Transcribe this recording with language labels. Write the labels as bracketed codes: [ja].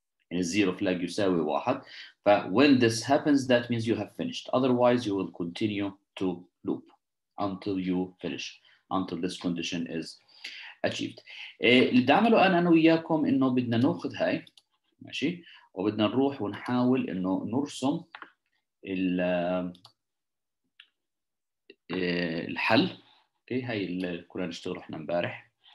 [ar] يعني الزيرو فلاج يساوي واحد. [en] ف when this happens that means you have finished, otherwise you will continue to loop until you finish, until this condition is achieved. [ar] اللي بدي اعمله انا وياكم انه بدنا ناخذ هاي ماشي، وبدنا نروح ونحاول انه نرسم الحل. اوكي، هاي اللي كنا نشتغل احنا امبارح.